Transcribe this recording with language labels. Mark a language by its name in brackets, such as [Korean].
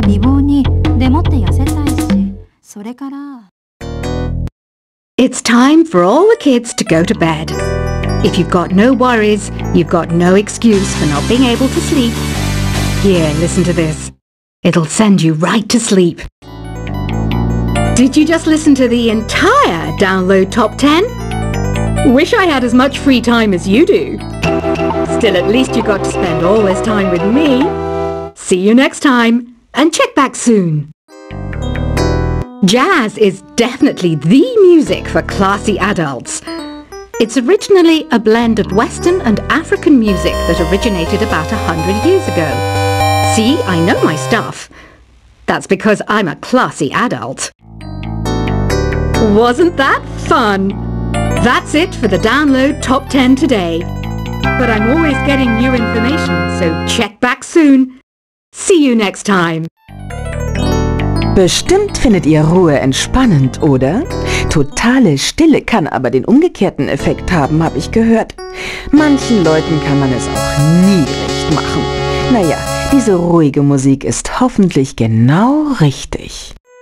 [Japanese] 今欲しいものはアラジンの魔法のランプね。願い事を一つだけ叶えてくれるの。でも一つじゃ足りないわ。まずお金でしょ。それから美貌に。でもって痩せたいし。それから [English] It's time for all the kids to go to bed. If you've got no worries, you've got no excuse for not being able to sleep. Here, listen to this. It'll send you right to sleep. Did you just listen to the entire download top 10? Wish I had as much free time as you do. Still, at least you got to spend all this time with me. See you next time, and check back soon. Jazz is definitely the music for classy adults. It's originally a blend of Western and African music that originated about 100 years ago. See, I know my stuff. That's because I'm a classy adult. Wasn't that fun? That's it for the download top 10 today. But I'm always getting new information, so check back soon. See you next time. [German] Bestimmt findet ihr Ruhe entspannend, oder? Totale Stille kann aber den umgekehrten Effekt haben, habe ich gehört. Manchen Leuten kann man es auch nie recht machen. Naja, diese ruhige Musik ist hoffentlich genau richtig.